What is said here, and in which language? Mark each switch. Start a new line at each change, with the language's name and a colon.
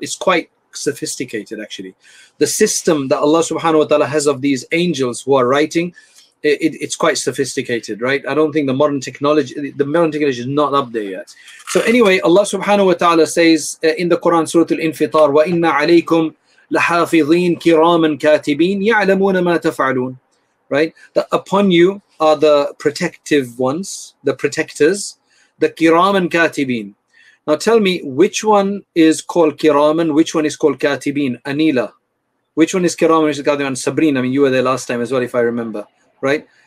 English: It's quite sophisticated, actually. The system that Allah subhanahu wa ta'ala has of these angels who are writing, it's quite sophisticated, right? I don't think the modern technology is not up there yet. So anyway, Allah subhanahu wa ta'ala says in the Quran, Surah Al-Infitar,
Arabic: وَإِنَّ عَلَيْكُمْ لحافظين كراما كاتبين يعلمون ما تفعلون.
English: Right? That upon you are the protective ones, the protectors, the kiram and katibin. Now tell me, which one is called kiram and which one is called katibin? Anila. Which one is kiram and which is katibin? Sabreen, I mean, you were there last time as well, if I remember. Right?